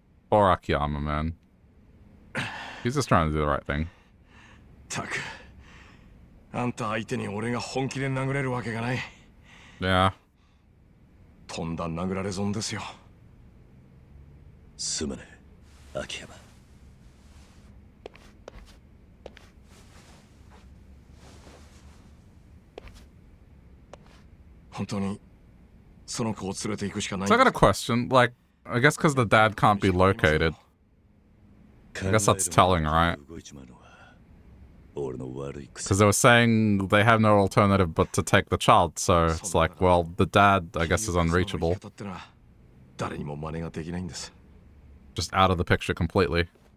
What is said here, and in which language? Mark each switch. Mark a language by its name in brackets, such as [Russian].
[English] Poor Akiyama, man. He's just trying to do the right thing. Tak. [Japanese] Anta, 相手に俺が本気で殴れるわけがない。 [English] Yeah. [Japanese] とんだ殴られ損ですよ。すまね、秋山。本当にその子を連れて行くしかない。 [English] So I got a question. Like, I guess because the dad can't be located. I guess that's telling, right? Because they were saying they have no alternative but to take the child, so it's like, well, the dad, I guess, is unreachable. Just out of the picture completely.